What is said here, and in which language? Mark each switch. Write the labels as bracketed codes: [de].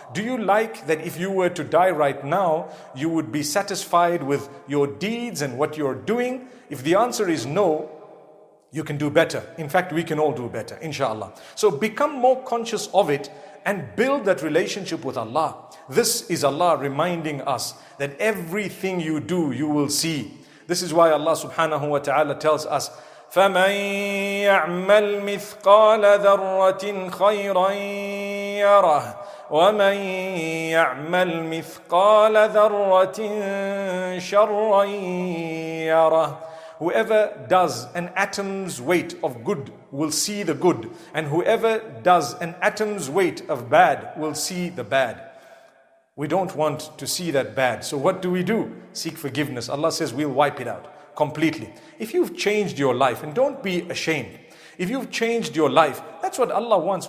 [en] Do you like that if you were to die right now, you would be satisfied with your deeds and what you're doing? If the answer is no, you can do better. In fact, we can all do better, inshallah. So become more conscious of it and build that relationship with Allah. This is Allah reminding us that everything you do, you will see. This is why Allah subhanahu wa ta'ala tells us, [ar] فَمَنْ يَعْمَلْ مِثْقَالَ ذَرَّةٍ خَيْرًا يَرَهُ وَمَنْ يَعْمَلْ مِثْقَالَ ذَرَّةٍ شَرًّا يَرَهُ. [en] Whoever does an atom's weight of good will see the good, and whoever does an atom's weight of bad will see the bad. We don't want to see that bad. So what do? Seek forgiveness. Allah says we'll wipe it out completely. If you've changed your life, and don't be ashamed, if you've changed your life, that's what Allah wants.